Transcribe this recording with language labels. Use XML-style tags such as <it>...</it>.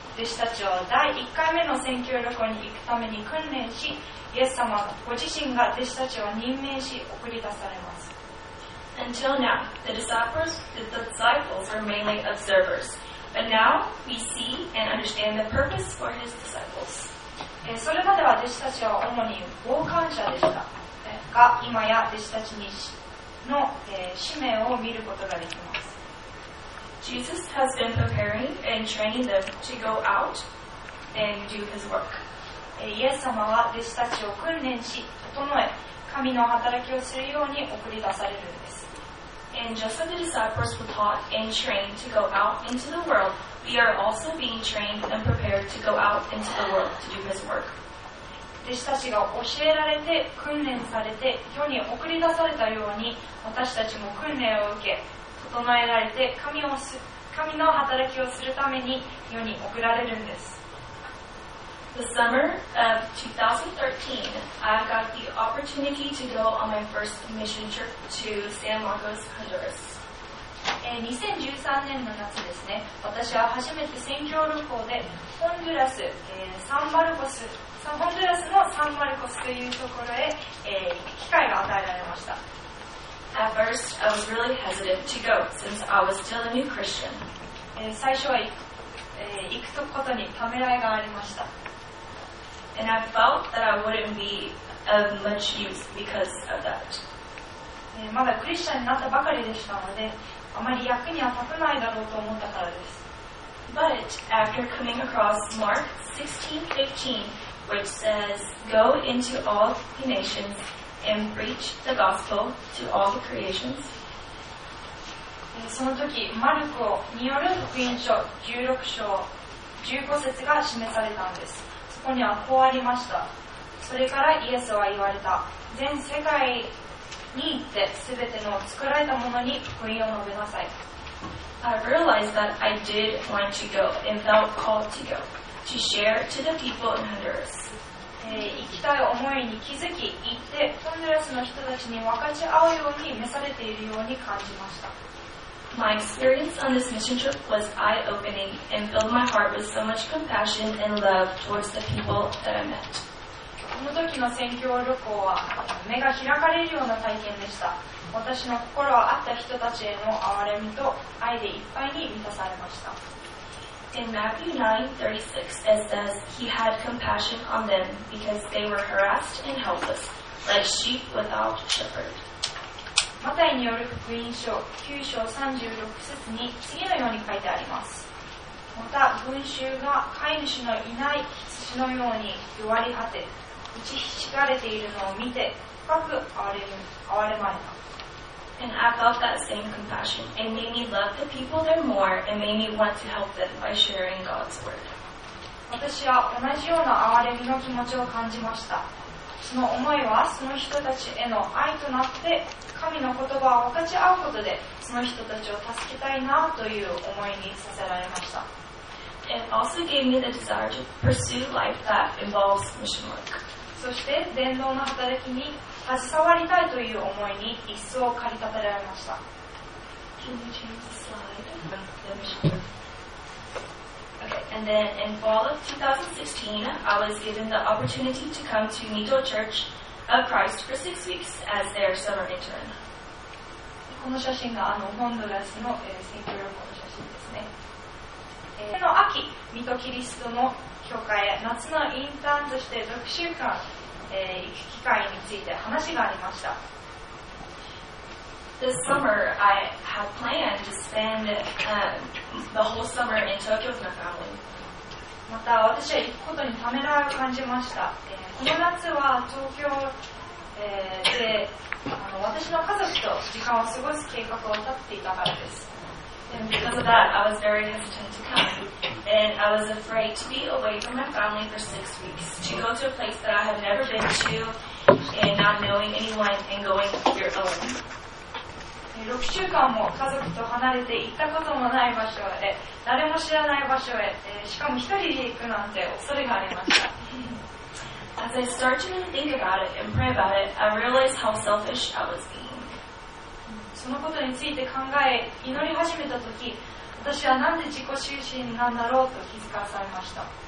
<ja>弟子たちを第1回目の宣教旅行に行くために訓練し、イエス様ご自身が弟子たちを任命し送り出されます。</ja> <en>Until now, the disciples are mainly observers, but now we see and understand the purpose for his disciples.</en> <ja>それまでは弟子たちは主に傍観者でしたが、今や弟子たちの使命を見ることができます。</ja> <en>Jesus has been preparing and training them to go out and do his work.</en> <ja>イエス様は弟子たちを訓練し、整え、神の働きをするように送り出されるんです。</ja> <en>And just as the disciples were taught and trained to go out into the world, we are also being trained and prepared to go out into the world to do his work.</en> <ja>弟子たちが教えられて、訓練されて、世に送り出されたように、私たちも訓練を受け、整えられて神の働きをするために世に送られるんです。</ja> <en>The summer of 2013 I got the opportunity to go on my first mission trip to San Marcos, Honduras.</en> <ja>2013年の夏ですね、私は初めて宣教旅行でホンドラス、サンマルコス、ホンドラスのサンマルコスというところへ、機会が与えられました。</ja> <en>At first, I was really hesitant to go since I was still a new Christian.</en> <ja>最初は行くことにためらいがありました。</ja> <en>And I felt that I wouldn't be of much use because of that.</en> <ja>まだクリスチャンになったばかりでしたので、あまり役には立たないだろうと思ったからです。</ja> <en>But after coming across Mark 16:15, which says, Go into all the nations. And preach the gospel to all the creations.</en> <ja>その時、マルコによる福音書16章15節が示されたんです。そこにはこうありました。それからイエスは言われた。全世界に行って、すべての作られたものに福音を述べなさい。</ja> <en>I realized that I did want to go and felt called to go to share to the people in Honduras.</en> <ja>行きたい思いに気づき、行ってホンジュラスの人たちに分かち合うように召されているように感じました。</ja> <en>My experience on this mission trip was eye-opening and filled my heart with so much compassion and love towards the people that I met.</en> <ja>この時の宣教旅行は目が開かれるような体験でした。私の心は会った人たちへの憐れみと愛でいっぱいに満たされました。</ja> <en>In Matthew 9:36, it says, He had compassion on them because they were harassed and helpless, like sheep without shepherd.</en> <ja>マタイによる福音書9章36節に次のように書いてあります。また群衆が飼い主のいない羊のように弱り果て、打ちひしがれているのを見て深く憐れまれた。</ja> <en>And I felt that same compassion. It made me love the people there more and made me want to help them by sharing God's word.</en> <ja>私は同じような憐れみの気持ちを感じました。その思いはその人たちへの愛となって、神の言葉を分かち合うことで、その人たちを助けたいなという思いにさせられました。</ja> <en>also gave me the desire to pursue life that involves mission work.</en> <ja>そして伝道の働きに携わりたいという思いに一層駆り立てられました。</ja> <en>Can you change the slide? The mission work. Okay, and then in fall of 2016, I was given the opportunity to come to Mito Church of Christ for 6 weeks as their summer intern.</en> <ja>この写真がホンドラスの選挙旅行の写真ですね。の秋、ミトキリストの教会、夏のインターンとして6週間、行く機会について話がありました。</ja> <en>This summer, I had planned to spend、the whole summer in Tokyo with my family.</en> <ja>また私は行くことにためらいを感じました。この夏は東京、で私の家族と時間を過ごす計画を立っていたからです。</ja> <en>And because of that, I was very hesitant to come. And I was afraid to be away from my family for 6 weeks. To go to a place that I have never been to, and not knowing anyone, and going your own.</en> <ja>6週間も家族と離れて行ったこともない場所へ、誰も知らない場所へ、しかも一人で行くなんて恐れがありました。</ja> <en>As I start to think about it and pray about it, I realize how selfish I was being.</en> <ja>そのことについて考え祈り始めたとき、私はなんで自己中心なんだろうと気づかされました。</ja>